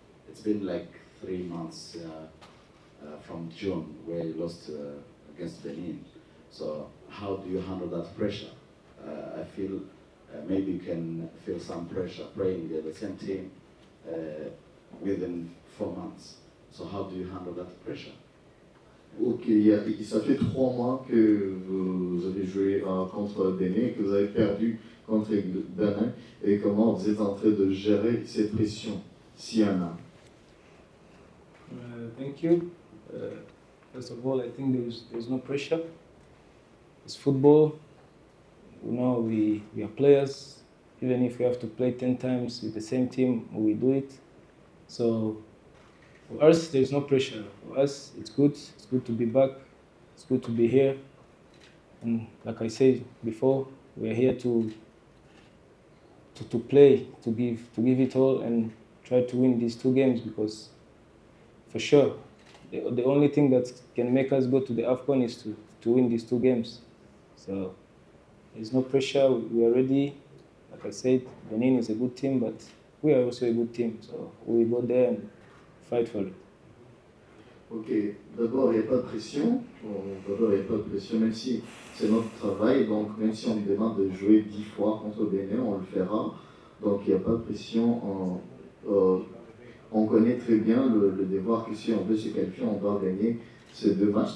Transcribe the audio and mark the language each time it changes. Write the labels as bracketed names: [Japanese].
[English] It's been like 3 months from June where you lost. Against Benin, so how do you handle that pressure? I feel maybe you can feel some pressure playing the same team within 4 months. So how do you handle that pressure? [French] Okay, yeah, ça fait 3 mois que vous avez joué contre Benin, que vous avez perdu contre Benin, et comment vous êtes en train de gérer cette pression, s'il y en a? [English] Thank you. First of all, I think there's no pressure. It's football. You know, we are players. Even if we have to play 10 times with the same team, we do it. So for us, there's no pressure. For us, it's good. It's good to be back. It's good to be here. And like I said before, we are here to play, to give it all, and try to win these two games because for sure the only thing that can make us go to the AFCON is to win these two games. So there's no pressure. We are ready. Like I said, Benin is a good team, but we are also a good team. So we go there and fight for it. [French] OK, d'abord, il n'y a pas de pression. D'abord, il n'y a pas de pression, même si c'est notre travail. Donc, même si on est demain de jouer 10 fois contre Benin, on le fera. Donc, il n'y a pas de pression. On connaît très bien le devoir que si on veut se qualifier, on doit gagner ces deux matchs.